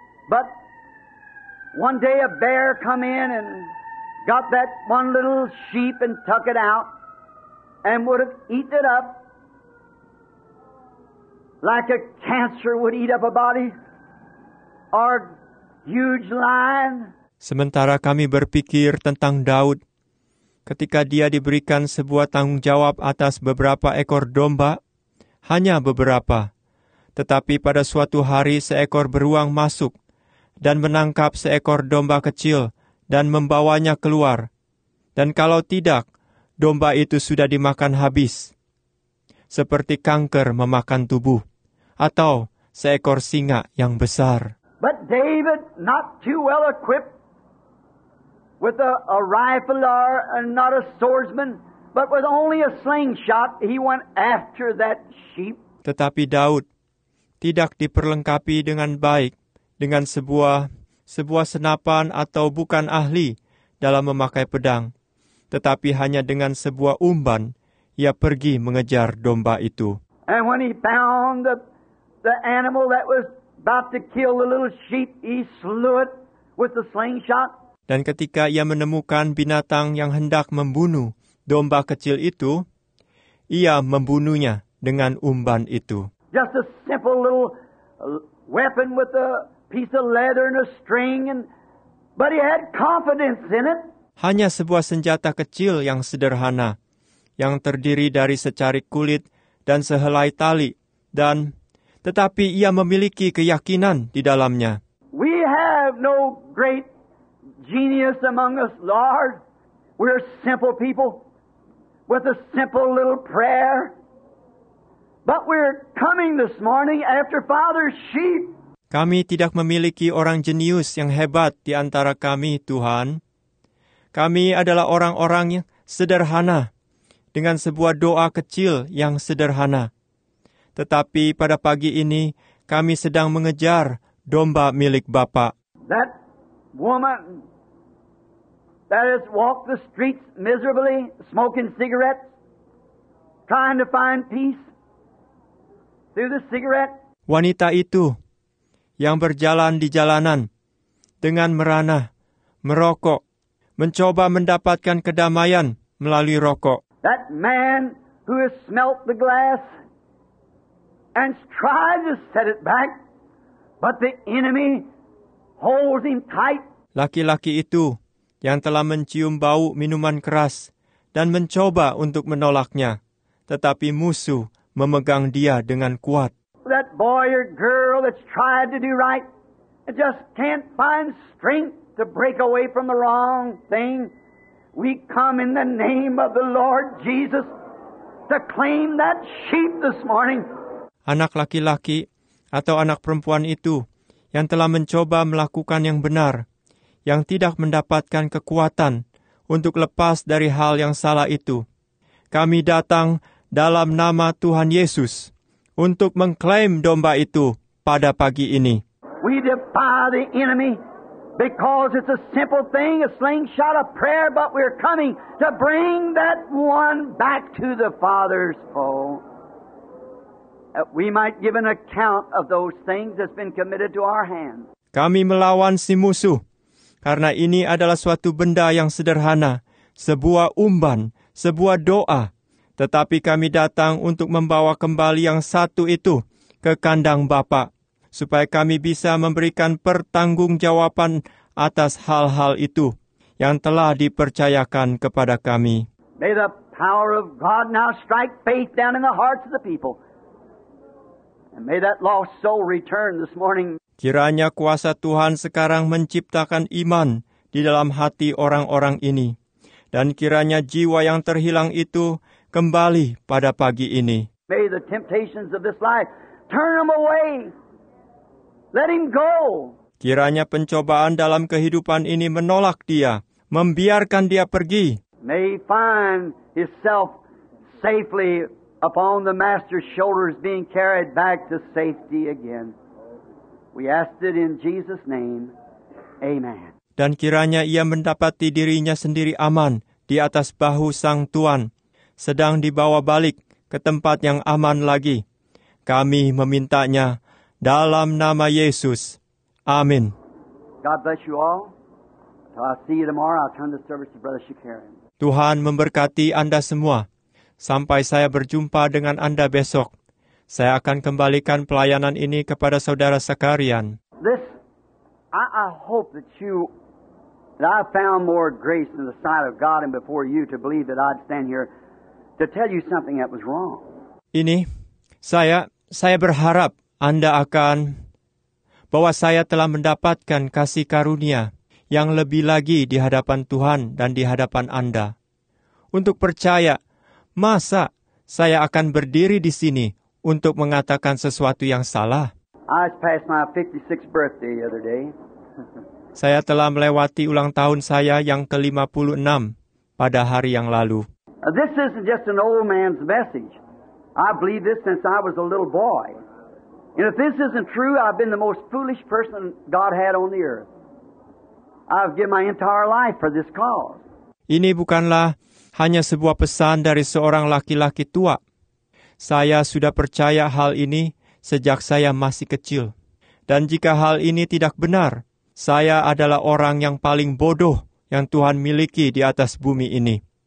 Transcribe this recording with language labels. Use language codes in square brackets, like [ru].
[en] But one day a bear come in and got that one little sheep and took it out and would have eaten it up like a cancer would eat up a body or a huge lion. [id] Sementara kami berpikir tentang Daud, ketika dia diberikan sebuah tanggung jawab atas beberapa ekor domba, hanya beberapa, tetapi pada suatu hari seekor beruang masuk dan menangkap seekor domba kecil dan membawanya keluar. Dan kalau tidak, domba itu sudah dimakan habis, seperti kanker memakan tubuh, atau seekor singa yang besar. [en] But David, not too well equipped with a rifle or not a swordsman, but with only a slingshot, he went after that sheep. [id] Tetapi Daud tidak diperlengkapi dengan baik dengan sebuah senapan atau bukan ahli dalam memakai pedang, tetapi hanya dengan sebuah umpan ia pergi mengejar domba itu. [en] And when he found the animal that was about to kill the little sheep, he slew it with the slingshot. [id] Dan ketika ia menemukan binatang yang hendak membunuh domba kecil itu, ia membunuhnya dengan umpan itu. [en] Just a simple little weapon with a piece of leather and a string, but he had confidence in it. [id] Hanya sebuah senjata kecil yang sederhana, yang terdiri dari secarik kulit dan sehelai tali, dan tetapi ia memiliki keyakinan di dalamnya. [en] We have no great genius among us, Lord. We're simple people with a simple little prayer. But we're coming this morning after Father's sheep. [id] Kami tidak memiliki orang jenius yang hebat di antara kami, Tuhan. Kami adalah orang-orang yang sederhana dengan sebuah doa kecil yang sederhana. Tetapi pada pagi ini kami sedang mengejar domba milik Bapa. [en] That woman that has walked the streets miserably, smoking cigarettes, trying to find peace through the cigarette. [id] Wanita itu yang berjalan di jalanan dengan merana, merokok, mencoba mendapatkan kedamaian melalui rokok. [en] That man who has smelt the glass and tried to set it back, but the enemy holds him tight. [id] Laki-laki itu yang telah mencium bau minuman keras dan mencoba untuk menolaknya, tetapi musuh memegang dia dengan kuat. [en] That boy or girl that's tried to do right and just can't find strength to break away from the wrong thing, we come in the name of the Lord Jesus to claim that sheep this morning. [id] Anak laki-laki atau anak perempuan itu yang telah mencoba melakukan yang benar, yang tidak mendapatkan kekuatan untuk lepas dari hal yang salah itu, kami datang dalam nama Tuhan Yesus untuk mengklaim domba itu pada pagi ini. [en] We defy the enemy because it's a simple thing, a slingshot of prayer, but we're coming to bring that one back to the Father's home. That we might give an account of those things that's been committed to our hands. [id] Kami melawan si musuh karena ini adalah suatu benda yang sederhana, sebuah umpan, sebuah doa. Tetapi kami datang untuk membawa kembali yang satu itu ke kandang Bapa, supaya kami bisa memberikan pertanggungjawaban atas hal-hal itu yang telah dipercayakan kepada kami. [en] May the power of God now strike faith down in the hearts of the people. And may that lost soul return this morning. [id] Kiranya kuasa Tuhan sekarang menciptakan iman di dalam hati orang-orang ini. Dan kiranya jiwa yang terhilang itu kembali pada pagi ini. [en] May the temptations of this life turn him away. Let him go. [id] Kiranya pencobaan dalam kehidupan ini menolak dia, membiarkan dia pergi. [en] May he find himself safely upon the master's shoulders, being carried back to safety again. We ask it in Jesus' name. Amen. [id] Dan kiranya ia mendapati dirinya sendiri aman di atas bahu sang Tuan, sedang dibawa balik ke ke tempat yang aman lagi. Kami memintanya dalam nama Yesus. Amin. [en] God bless you all. Until I see you tomorrow, I'll turn the service to Brother Shakarian. [id] Tuhan memberkati Anda semua. Sampai saya berjumpa dengan Anda besok, saya akan kembalikan pelayanan ini kepada Saudara Shakarian. [en] I hope that you, that I found more grace in the sight of God and before you to believe that I'd stand here to tell you something that was wrong. [id] Ini, saya berharap Anda akan, bahwa saya telah mendapatkan kasih karunia yang lebih lagi di hadapan Tuhan dan di hadapan Anda. Untuk percaya, masa saya akan berdiri di sini untuk mengatakan sesuatu yang salah? [en] I just passed my 56th birthday the other day. [id] Saya telah melewati ulang tahun saya yang ke-56 pada hari yang lalu. [en] This isn't just an old man's message. I believe this since I was a little boy. And if this isn't true, I've been the most foolish person God had on the earth. I've given my entire life for this cause. [id] Ini bukanlah hanya sebuah pesan dari seorang laki-laki tua. Saya sudah percaya hal ini sejak saya masih kecil. Dan jika hal ini tidak benar, saya adalah orang yang paling bodoh yang Tuhan miliki di atas bumi ini.